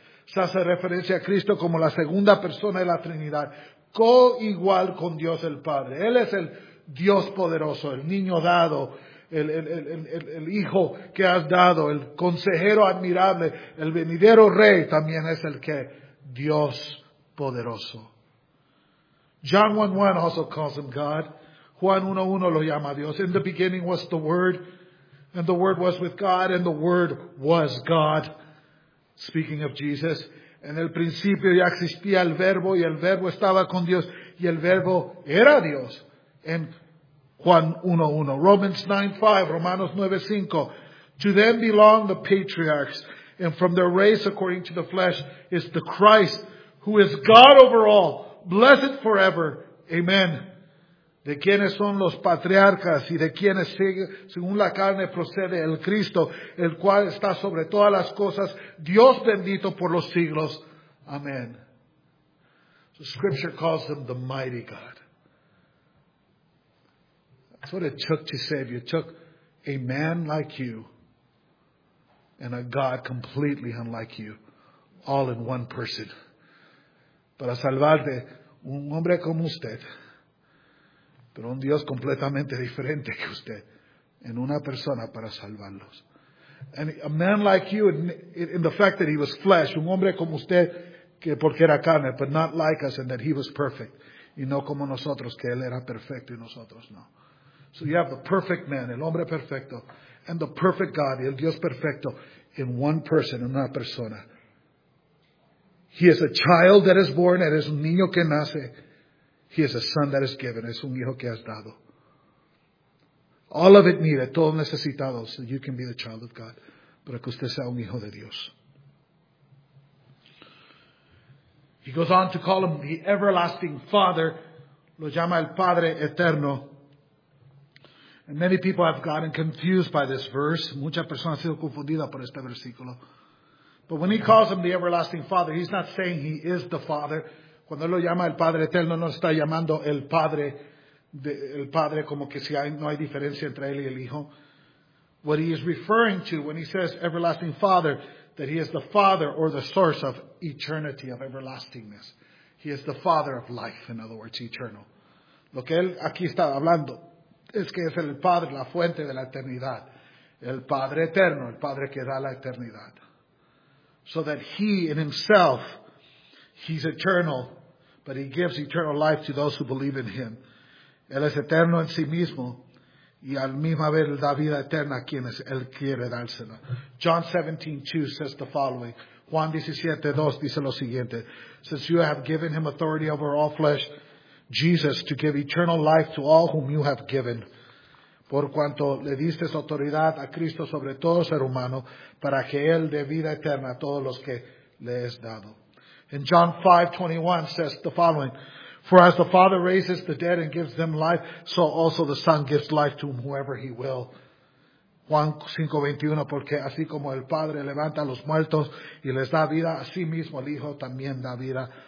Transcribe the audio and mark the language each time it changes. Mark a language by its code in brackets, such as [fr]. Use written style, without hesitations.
[es] Se hace referencia a Cristo como la segunda persona de la Trinidad, co-igual con Dios el Padre. Él es el Dios poderoso, el niño dado, el hijo que has dado, el consejero admirable, el venidero rey también es el que Dios poderoso. [en] John 1:1 also calls him God. [es] Juan 1:1 lo llama Dios. [en] In the beginning was the Word, and the Word was with God, and the Word was God. Speaking of Jesus, [es] en el principio ya existía el Verbo, y el Verbo estaba con Dios, y el Verbo era Dios. En Juan 1:1. Romans 9:5, Romanos 9:5. [en] To them belong the patriarchs, and from their race according to the flesh is the Christ, who is God over all, blessed forever. Amen. [es] De quiénes son los patriarcas y de quiénes sigue, según la carne procede el Cristo, el cual está sobre todas las cosas, Dios bendito por los siglos. [en] Amén. So scripture calls him the mighty God. That's what it took to save you. It took a man like you and a God completely unlike you, all in one person. [es] Para salvarte, un hombre como usted. Pero un Dios completamente diferente que usted, en una persona para salvarlos. [en] And a man like you, in the fact that he was flesh, [es] un hombre como usted, que porque era carne, [en] but not like us, and that he was perfect. [es] Y no como nosotros, que él era perfecto y nosotros no. [en] So you have the perfect man, [es] el hombre perfecto, [en] and the perfect God, [es] el Dios perfecto, [en] in one person, [es] en una persona. [en] He is a child that is born, [es] eres un niño que nace. [en] He is a son that is given. [es] Es un hijo que has dado. [en] All of it needed. [es] Todo necesitado. [en] So you can be the child of God. [es] Para que usted sea un hijo de Dios. [en] He goes on to call him the everlasting Father. [es] Lo llama el Padre Eterno. [en] And many people have gotten confused by this verse. [es] Mucha persona ha sido confundida por este versículo. [en] But when he calls him the everlasting Father, he's not saying he is the Father. [es] Cuando él lo llama el Padre Eterno, no está llamando el Padre, el Padre como que si hay, no hay diferencia entre él y el Hijo. [en] What he is referring to when he says everlasting Father, that he is the Father or the source of eternity, of everlastingness. He is the Father of life, in other words, eternal. [es] Lo que él aquí está hablando es que es el Padre, la fuente de la eternidad. El Padre Eterno, el Padre que da la eternidad. [en] So that he in himself, he's eternal, but he gives eternal life to those who believe in him. [es] Él es eterno en sí mismo, y al mismo ver la vida eterna a quienes él quiere dársela. [en] John 17:2 says the following. [es] Juan 17:2 dice lo siguiente. [en] Since you have given him authority over all flesh, Jesus, to give eternal life to all whom you have given. [es] Por cuanto le diste autoridad a Cristo sobre todo ser humano, para que él dé vida eterna a todos los que le es dado. [en] And John 5:21 says the following, for as the Father raises the dead and gives them life, so also the Son gives life to whoever he will. [es] Juan 5:21, porque así como el Padre levanta a los muertos y les da vida, así mismo el Hijo también da vida